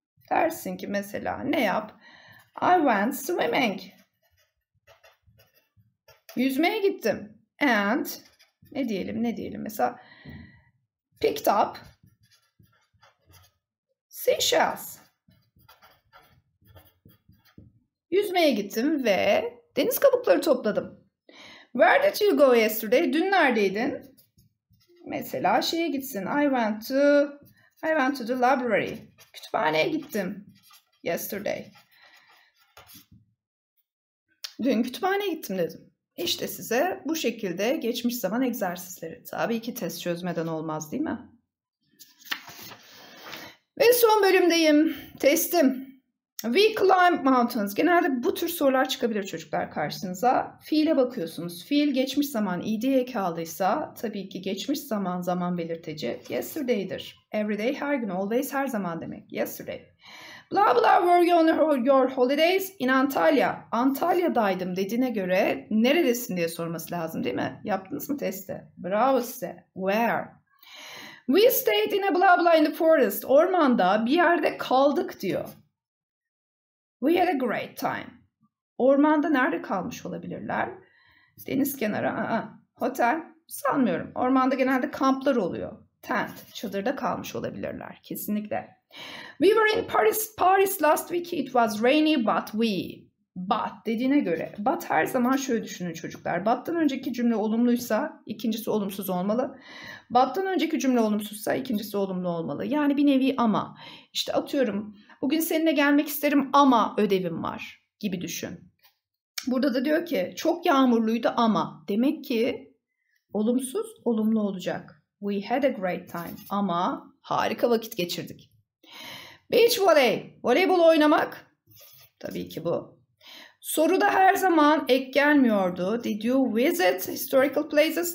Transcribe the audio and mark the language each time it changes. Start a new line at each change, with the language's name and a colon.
Turkish: Dersin ki mesela ne yap?
English: I went swimming.
Turkish: Yüzmeye gittim. And ne diyelim mesela
English: picked seashells.
Turkish: Yüzmeye gittim ve deniz kabukları topladım.
English: Where did you go yesterday?
Turkish: Dün neredeydin? Mesela şeye gitsin.
English: I went to the library.
Turkish: Kütüphaneye gittim yesterday. Dün kütüphaneye gittim dedim. İşte size bu şekilde geçmiş zaman egzersizleri. Tabii ki test çözmeden olmaz, değil mi? Ve son bölümdeyim. Testim.
English: We climb mountains.
Turkish: Genelde bu tür sorular çıkabilir çocuklar karşınıza. Fiile bakıyorsunuz. Fiil geçmiş zaman ed'ye kaldıysa tabii ki geçmiş zaman zaman belirteci. Yesterday'dir. Everyday her gün. Always her zaman demek. Yesterday.
English: Blah blah were you on your holidays in Antalya?
Turkish: Antalya'daydım dediğine göre neredesin diye sorması lazım değil mi? Yaptınız mı testi? Bravo size. Where?
English: We stayed in a blah blah in the forest.
Turkish: Ormanda bir yerde kaldık diyor.
English: We had a great time.
Turkish: Ormanda nerede kalmış olabilirler? Deniz kenarı. Otel. Sanmıyorum. Ormanda genelde kamplar oluyor. Tent. Çadırda kalmış olabilirler. Kesinlikle.
English: We were in Paris. Paris last week. It was rainy but we.
Turkish: But dediğine göre. But her zaman şöyle düşünün çocuklar. But'tan önceki cümle olumluysa ikincisi olumsuz olmalı. But'tan önceki cümle olumsuzsa ikincisi olumlu olmalı. Yani bir nevi ama. İşte atıyorum. Bugün seninle gelmek isterim ama ödevim var gibi düşün. Burada da diyor ki çok yağmurluydu ama. Demek ki olumsuz olumlu olacak.
English: We had a great time
Turkish: ama harika vakit geçirdik.
English: Beach voley.
Turkish: Voleybol oynamak. Tabii ki bu. Soru da her zaman ek gelmiyordu.
English: Did you visit historical places?